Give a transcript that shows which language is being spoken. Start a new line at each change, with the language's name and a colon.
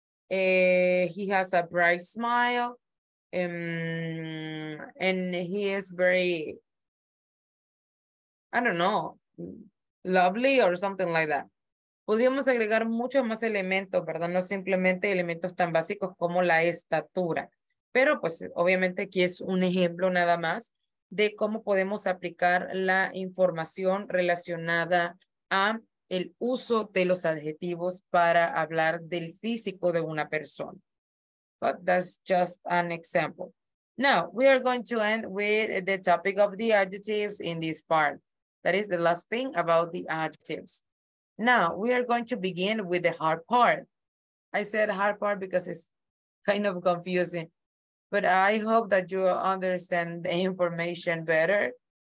English: He has a bright smile, and he is very, I don't know, lovely or something like that.
Spanish: Podríamos agregar muchos más elementos, ¿verdad? No simplemente elementos tan básicos como la estatura. Pero pues obviamente aquí es un ejemplo nada más de cómo podemos aplicar la información relacionada a el uso de los adjetivos para hablar del físico de una persona.
English: But that's just an example. Now, we are going to end with the topic of the adjectives in this part. That is the last thing about the adjectives. Now, we are going to begin with the hard part. I said hard part because it's kind of confusing, but I hope that you understand the information better.